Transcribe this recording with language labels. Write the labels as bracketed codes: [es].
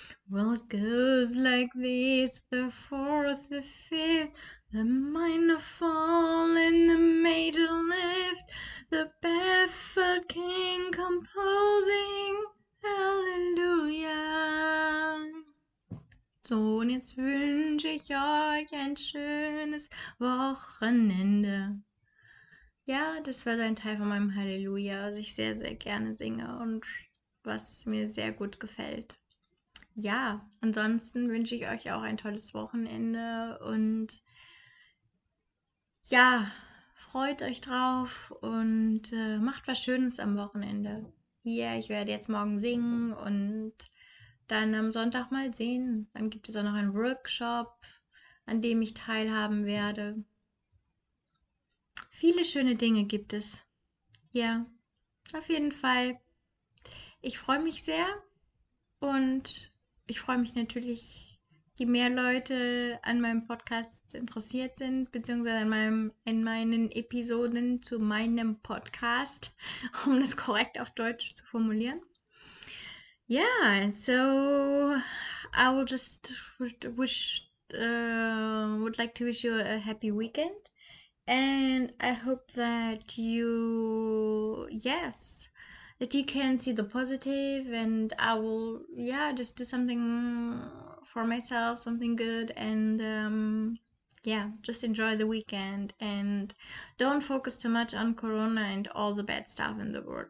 [en] Well, it goes like this, the fourth, the fifth, the minor fall and the major lift, the baffled king composing, Halleluja. [de] So, und jetzt wünsche ich euch ein schönes Wochenende. Ja, das war so ein Teil von meinem Halleluja, was ich sehr, sehr gerne singe und was mir sehr gut gefällt. Ja, ansonsten wünsche ich euch auch ein tolles Wochenende und ja, freut euch drauf und macht was Schönes am Wochenende. Ja, ich werde jetzt morgen singen und dann am Sonntag mal sehen. Dann gibt es auch noch einen Workshop, an dem ich teilhaben werde. Viele schöne Dinge gibt es. Ja, auf jeden Fall. Ich freue mich sehr und ich freue mich natürlich, je mehr Leute an meinem Podcast interessiert sind, beziehungsweise in meinen Episoden zu meinem Podcast, um das korrekt auf Deutsch zu formulieren. [en] Ja, so, I will just wish, would like to wish you a happy weekend. And I hope that you, yes. That you can see the positive and I will, yeah, just do something for myself, something good and yeah, just enjoy the weekend and don't focus too much on Corona and all the bad stuff in the world.